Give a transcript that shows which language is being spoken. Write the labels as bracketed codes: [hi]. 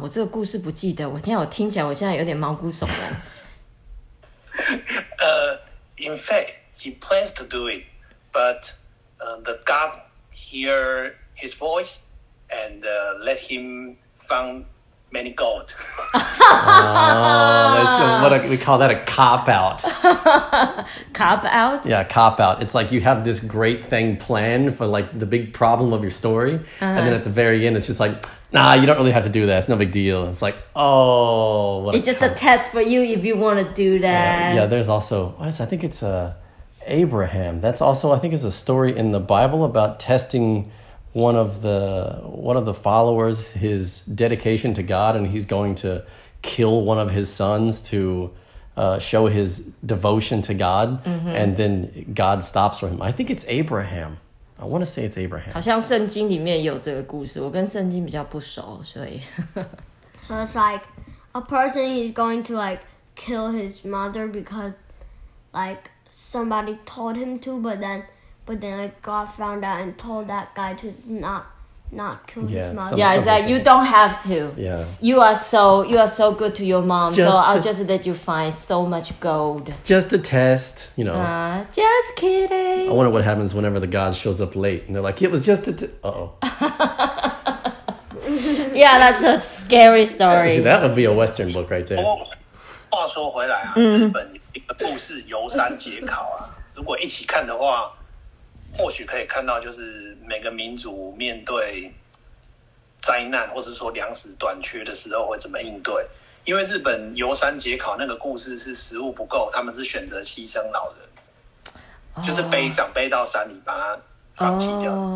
[zh] 我这个故事不记得。我听我听起来，我现在有点毛骨悚然。 [en] In fact, he plans to do it, but the god here... his voice and let him found many gold. we call that a cop out. Cop out? Yeah, cop out. It's like you have this great thing planned for like the big problem of your story. Uh-huh. And then at the very end, it's just like, nah, you don't really have to do that. It's no big deal. It's like, oh. It's just a test for you if you want to do that. Yeah, there's also, what is, I think it's Abraham. That's also, I think, is a story in the Bible about testing... one of the followers, his dedication to God, and he's going to kill one of his sons to show his devotion to God,、 mm-hmm. and then God stops for him. I think it's Abraham. I want to say it's Abraham. [zh] 好像圣经里面有这个故事，我跟圣经比较不熟，所以 [en] so it's like a person is going to like kill his mother because like somebody told him to, but then like, God found out and told that guy to not kill his mother. Yeah, it's like, you don't have to. Yeah. You are so good to your mom, just let you find so much gold. It's just a test, you know. Just kidding. I wonder what happens whenever the God shows up late and they're like, it was just a test. Uh-oh. Yeah, that's a scary story. See, that would be a Western book right there. [zh] 话说回来啊，日本一个故事游山解考啊，如果一起看的话，或许可以看到，就是每个民族面对灾难，或是说粮食短缺的时候会怎么应对。因为日本游山解考那个故事是食物不够，他们是选择牺牲老人，就是背长辈到山里把他放弃掉。